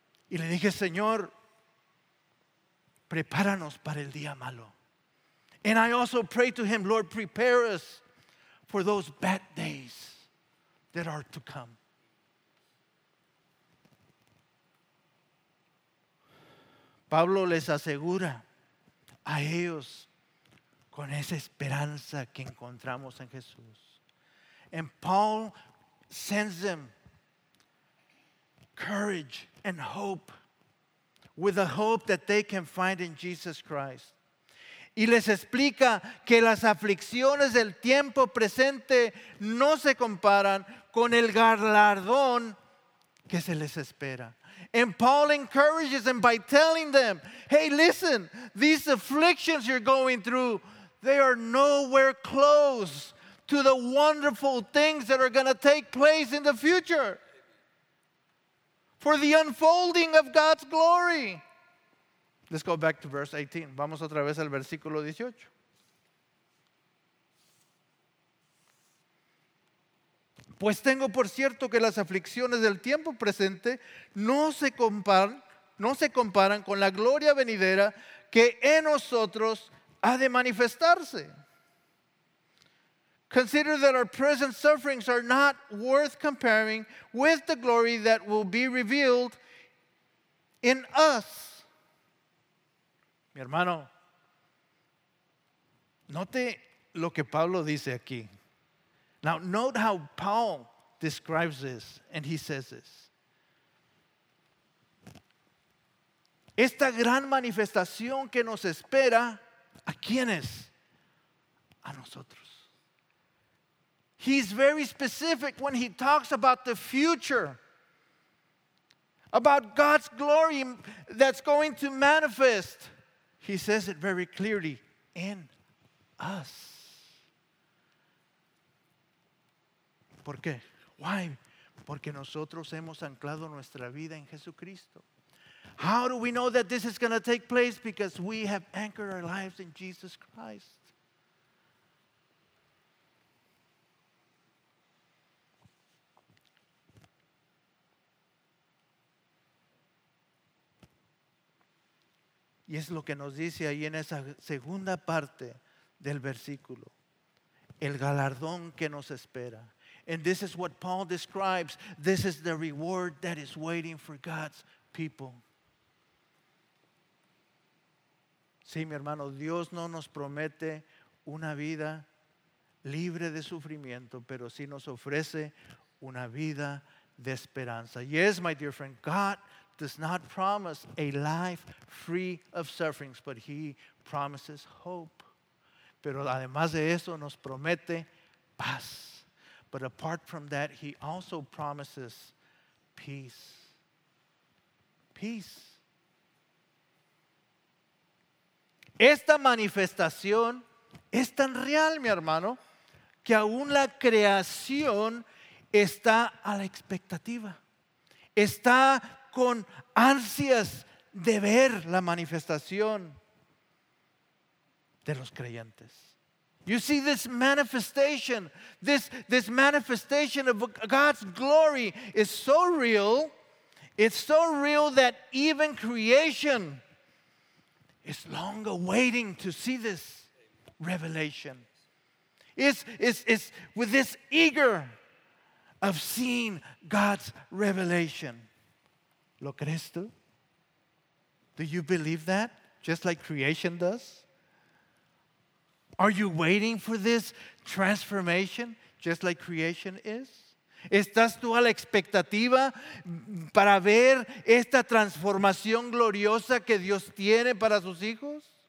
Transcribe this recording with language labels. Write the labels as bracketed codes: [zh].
[es] Y le dije, Señor, prepáranos para el día malo. [en] And I also pray to him, Lord, prepare us for those bad days that are to come. [es] Pablo les asegura a ellos con esa esperanza que encontramos en Jesús. [en] And Paul sends them courage and hope, with the hope that they can find in Jesus Christ. [es] Y les explica que las aflicciones del tiempo presente no se comparan con el galardón que se les espera. [en] And Paul encourages them by telling them, hey, listen, these afflictions you're going through, they are nowhere close to the wonderful things that are going to take place in the future. For the unfolding of God's glory. Let's go back to verse 18. [es] Vamos otra vez al versículo 18. Pues tengo por cierto que las aflicciones del tiempo presente no se comparan con la gloria venidera que en nosotros ha de manifestarse. [en] Consider that our present sufferings are not worth comparing with the glory that will be revealed in us. [es] Mi hermano, note lo que Pablo dice aquí. [en] Now, note how Paul describes this, and he says this. [es] Esta gran manifestación que nos espera, ¿a quiénes? A nosotros. [en] He's very specific when he talks about the future, about God's glory that's going to manifest. He says it very clearly, in us. [es] ¿Por qué? [en] Why? [es] Porque nosotros hemos anclado nuestra vida en Jesucristo. [en] How do we know that this is going to take place? Because we have anchored our lives in Jesus Christ. [es] Y es lo que nos dice ahí en esa segunda parte del versículo. El galardón que nos espera. [en] And this is what Paul describes. This is the reward that is waiting for God's people. [es] Sí, mi hermano, Dios no nos promete una vida libre de sufrimiento, pero sí nos ofrece una vida de esperanza. [en] Yes, my dear friend, God does not promise a life free of sufferings, but he promises hope. [es] Pero además de eso, nos promete paz. [en] But apart from that, he also promises peace. Peace. [es] Esta manifestación es tan real, mi hermano, que aún la creación está a la expectativa. Está con ansias de ver la manifestación de los creyentes. [en] You see, this manifestation of God's glory is so real. It's so real that even creation is long awaiting to see this revelation. It's with this eager of seeing God's revelation. [es] ¿Lo crees tú? [en] Do you believe that? Just like creation does? Are you waiting for this transformation just like creation is? [es] ¿Estás tú a la expectativa para ver esta transformación gloriosa que Dios tiene para sus hijos?